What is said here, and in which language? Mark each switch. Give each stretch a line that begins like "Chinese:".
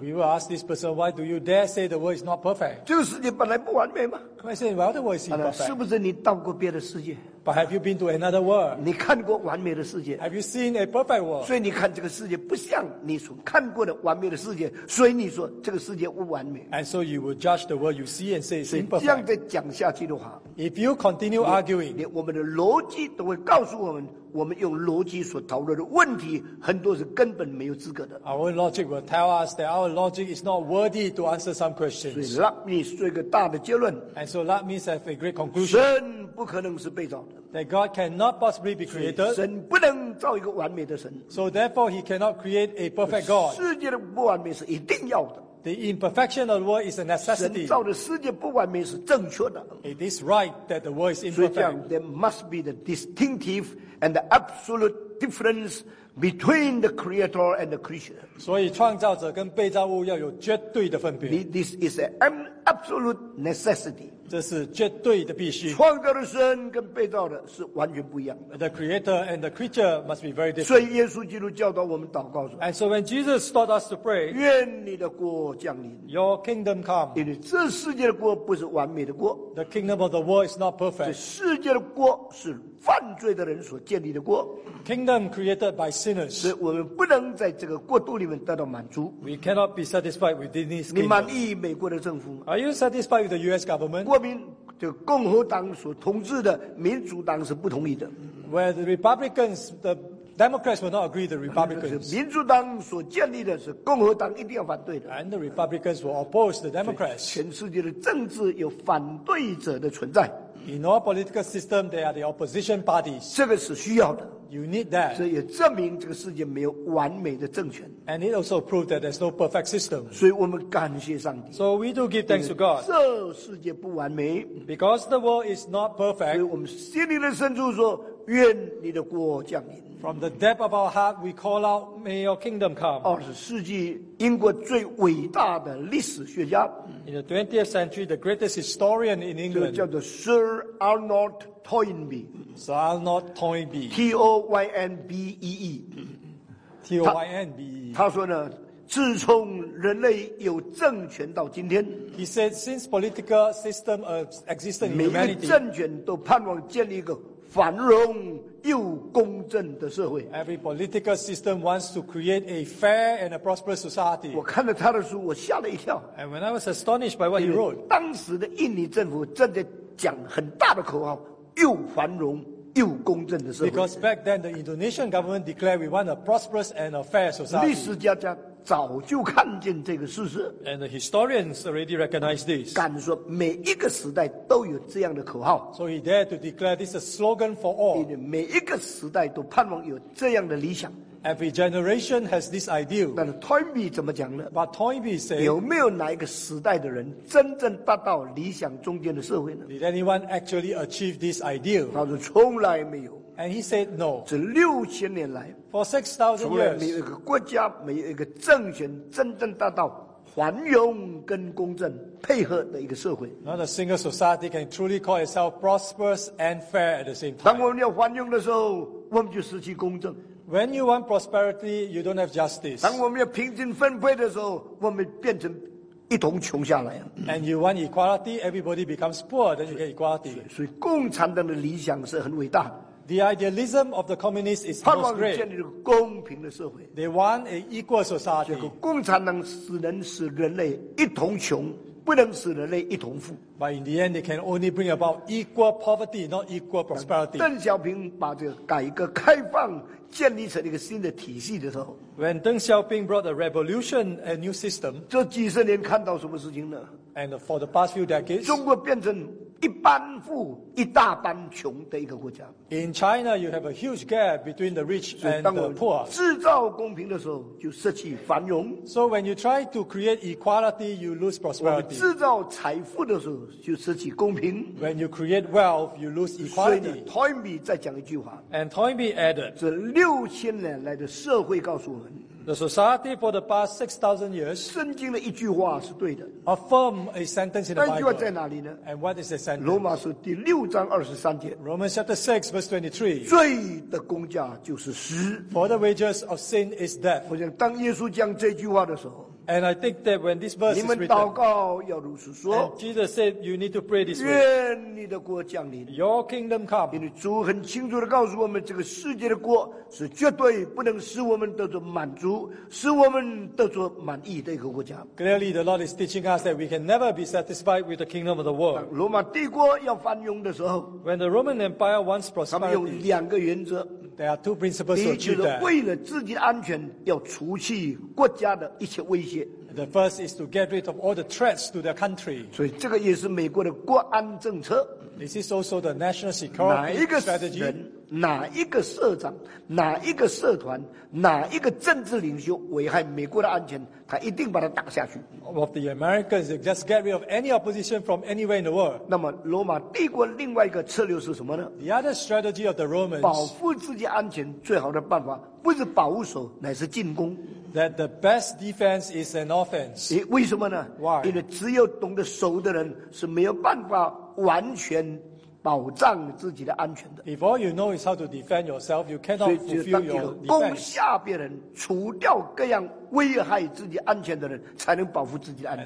English: We will ask this person, why do you dare say the world is not perfect?
Chinese: 这个世界本来不完美吗？
English: I say, well, the world is imperfect.
Chinese: 是不是你到过别的世界？
English: But have you been to another world?
Chinese: 你看过完美的世界？
English: Have you seen a perfect world?
Chinese: 所以你看这个世界不像你所看过的完美的世界，所以你说这个世界不完美。
English: And so you will judge the world you see and say it's imperfect.
Chinese: 这样再讲下去的话，
English: If you continue arguing,
Chinese: 连我们的逻辑都会告诉我们，我们用逻辑所讨论的问题很多是根本没有资格的。
English: Our logic will tell us that our logic is not worthy to answer some questions.
Chinese: 所以 Leibniz 做一个大的结论。
English: And so Leibniz has a great conclusion.
Chinese: 神不可能是被造的。
English: That God cannot possibly be created.
Chinese: 神不能造一个完美的神。
English: So therefore he cannot create a perfect God.
Chinese: 世界的不完美是一定要的。
English: The imperfection of the world is a necessity.
Chinese: 神造的世界不完美是正确的。
English: It is right that the world is imperfect.
Chinese: 所以这样
English: there must be the distinctive and the absolute difference between the creator and the creature.
Chinese: 所以创造者跟被造物要有绝对的分别。
English: This is an absolute necessity.
Chinese: 这是绝对的必须。创造的神跟被造的是完全不一样。
English: The creator and the creature must be very different.
Chinese: 所以耶稣基督教导我们祷告说，
English: And so when Jesus taught us to pray,
Chinese: 愿你的国降临，
English: Your kingdom come.
Chinese: 因为这世界的国不是完美的国。
English: The kingdom of the world is not perfect.
Chinese: 这世界的国是犯罪的人所建立的国。
English: Kingdom created by sinners.
Chinese: 所以我们不能在这个国度里面得到满足。
English: We cannot be satisfied within this kingdom.
Chinese: 你满意美国的政府吗？
English: Are you satisfied with the US government?
Chinese: 国民就共和党所统治的民主党是不同意的。
English: Where the Republicans, the Democrats will not agree with the Republicans.
Chinese: 民主党所建立的是共和党一定要反对的。
English: And the Republicans will oppose the Democrats.
Chinese: 全世界的政治有反对者的存在。
English: In all political system, there are the opposition parties.
Chinese: 这个是需要的。
English: You need that.
Chinese: 这也证明这个世界没有完美的政权。
English: And it also proves that there's no perfect system.
Chinese: 所以我们感谢上帝。
English: So we do give thanks to God.
Chinese: 这世界不完美。
English: Because the world is not perfect.
Chinese: 所以我们心里的深处说，愿你的国降临。
English: From the depth of our heart, we call out, May your kingdom come.
Chinese: 二十世纪英国最伟大的历史学家。
English: In the 20th century, the greatest historian in England.
Chinese: 这个叫做 Sir Arnold Toynbee.
English: Sir Arnold Toynbee. T-O-Y-N-B-E-E. T-O-Y-N-B-E.
Chinese: 他说呢，自从人类有政权到今天，
English: He said, since political system existed in humanity,
Chinese: 每一个政权都盼望建立一个繁荣又公正的社会。
English: Every political system wants to create a fair and a prosperous society.
Chinese: 我看了他的书，我吓了一跳。
English: And when I was astonished by what he wrote,
Chinese: 当时的印尼政府正在讲很大的口号，又繁荣又公正的社会。
English: Because back then the Indonesian government declared we want a prosperous and a fair society.
Chinese: 历史家家早就看见这个事实。
English: And the historians already recognized this.
Chinese: 敢说每一个时代都有这样的口号。
English: So he dared to declare this a slogan for all.
Chinese: 每一个时代都盼望有这样的理想。
English: Every generation has this ideal.
Chinese: 但是 Toynbee 怎么讲呢？
English: But Toynbee said,
Chinese: 有没有哪一个时代的人真正达到理想中间的社会呢？
English: Did anyone actually achieve this ideal?
Chinese: 他说从来没有。
English: And he said no.
Chinese: 这六千年来
English: For 6,000 years,
Chinese: 从来没有一个国家，没有一个政权真正达到繁荣跟公正配合的一个社会。
English: Not a single society can truly call itself prosperous and fair at the same time.
Chinese: 当我们要繁荣的时候，我们就失去公正。
English: When you want prosperity, you don't have justice.
Chinese: 当我们要平均分配的时候，我们变成一同穷下来。
English: And you want equality, everybody becomes poor, then you get equality.
Chinese: 所以共产党的理想是很伟大的。
English: The idealism of the communists is most great.
Chinese: 盼望建立一个公平的社会。
English: They want an equal society.
Chinese: 结果共产党只能使人类一同穷，不能使人类一同富。
English: But in the end, they can only bring about equal poverty, not equal prosperity.
Chinese: 邓小平把这个改革开放建立成一个新的体系的时候，
English: When Deng Xiaoping brought a revolution, a new system,
Chinese: 这几十年看到什么事情呢？
English: And for the past few decades,
Chinese: 中国变成一般富一大般穷的一个国家。
English: In China, you have a huge gap between the rich and the poor.
Chinese: 制造公平的时候就失去繁荣。
English: So when you try to create equality, you lose prosperity.
Chinese: 制造财富的时候就失去公平。
English: When you create wealth, you lose equality.
Chinese: Toynbee 再讲一句话。
English: And Toynbee added,
Chinese: 这六千年来的社会告诉我们，
English: The society for the past 6,000 years,
Chinese: 圣经的一句话是对的。
English: Affirm a sentence in the Bible.
Chinese: 那句话在哪里呢？
English: And what is the sentence?
Chinese: 罗马书第六章二十三节。
English: Romans chapter 6 verse 23.
Chinese: 罪的工价就是死。
English: For the wages of sin is death.
Chinese: 我想当耶稣讲这句话的时候，
English: And I think that when this verse is written,
Chinese: 你们祷告要如此说，
English: Jesus said you need to pray this way.
Chinese: 愿你的国降临。
English: Your kingdom come.
Chinese: 因为主很清楚地告诉我们，这个世界的国是绝对不能使我们得着满足，使我们得着满意的一个国家。
English: Clearly the Lord is teaching us that we can never be satisfied with the kingdom of the world.
Chinese: 罗马帝国要繁荣的时候，
English: When the Roman Empire wants prosperity,
Chinese: 他们有两个原则。
English: There are two principles to achieve that.
Chinese: 为了自己的安全，要除去国家的一切威胁。
English: The first is to get rid of all the threats to their country.
Chinese: 所以这个也是美国的国安政策。
English: This is also the national security strategy.
Chinese: 哪一个社长、哪一个社团、哪一个政治领袖危害美国的安全，他一定把他打下去。
English: Of the Americans, just get rid of any opposition from anywhere in the world.
Chinese: 那么罗马帝国另外一个策略是什么呢？
English: The other strategy of the Romans,
Chinese: 保护自己安全最好的办法不是保守，乃是进攻。
English: That the best defense is an offense.
Chinese: 为什么呢？
English: Why?
Chinese: 因为只有懂得守的人是没有办法完全保障自己的安全的。
English: If all you know is how to defend yourself, you cannot fulfill your defense.
Chinese: 所以，当一个攻下别人，除掉各样危害自己安全的人，才能保护自己的安全。